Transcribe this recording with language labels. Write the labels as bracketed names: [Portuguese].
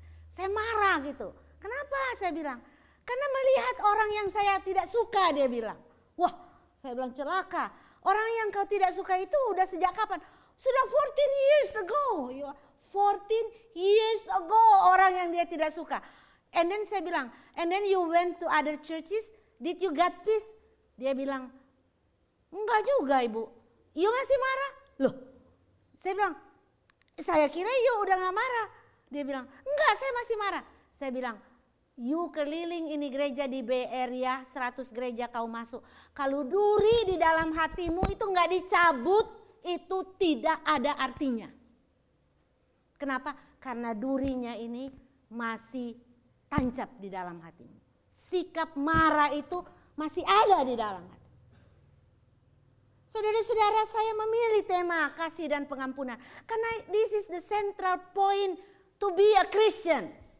[Indonesian] Saya marah gitu. Kenapa? Saya bilang, karena melihat orang yang saya tidak suka, dia bilang. Wah, saya bilang celaka. Orang yang kau tidak suka itu udah sejak kapan? Sudah [English] 14 years ago. 14 years ago [Indonesian] orang yang dia tidak suka. [English] And then [Indonesian] saya bilang, [English] and then you went to other churches, did you get peace? [Indonesian] Dia bilang, enggak juga Ibu, you masih marah? Loh, saya bilang, saya kira you udah gak marah. Dia bilang, enggak saya masih marah. Saya bilang, you keliling ini gereja di Bay Area, 100 gereja kau masuk. Kalau duri di dalam hatimu itu enggak dicabut, itu tidak ada artinya. Kenapa? Karena durinya ini masih tancap di dalam hatimu. Sikap marah itu masih ada di dalam hati. Saudara-saudara, saya memilih tema kasih dan pengampunan. [English] Karena this is the central point to be a Christian.